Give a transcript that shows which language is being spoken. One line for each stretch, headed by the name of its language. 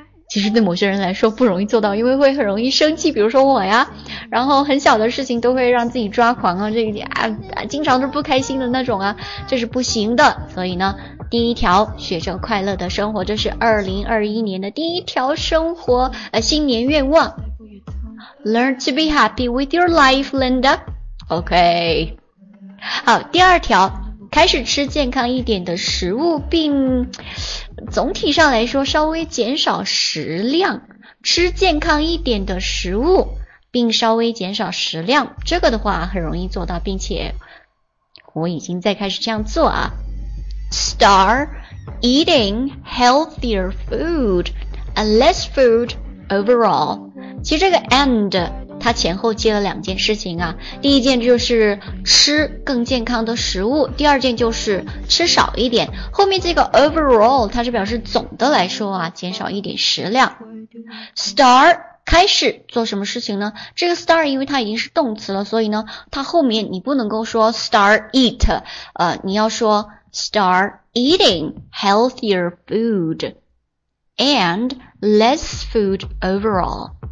Chinese: 其实对某些人来说不容易做到，因为会很容易生气，比如说我呀，然后很小的事情都会让自己抓狂啊，这一点啊，经常都是不开心的那种啊，这是不行的。所以呢，第一条，学着快乐的生活，这是2021年的第一条生活新年愿望。
English: Learn to be happy with your life, Linda. OK.
Chinese: 好，第二条，开始吃健康一点的食物，并总体上来说稍微减少食量。吃健康一点的食物并稍微减少食量，这个的话很容易做到，并且我已经在开始这样做啊。
English: Start eating healthier food and less food overall。
Chinese: 其实这个 and 它前后接了两件事情啊，第一件就是吃更健康的食物，第二件就是吃少一点。后面这个 overall 它是表示总的来说啊，减少一点食量。 start 开始做什么事情呢？这个 start 因为它已经是动词了，所以呢它后面你不能够说
English: start eat，
Chinese: 你要说
English: start eating healthier food and less food overall。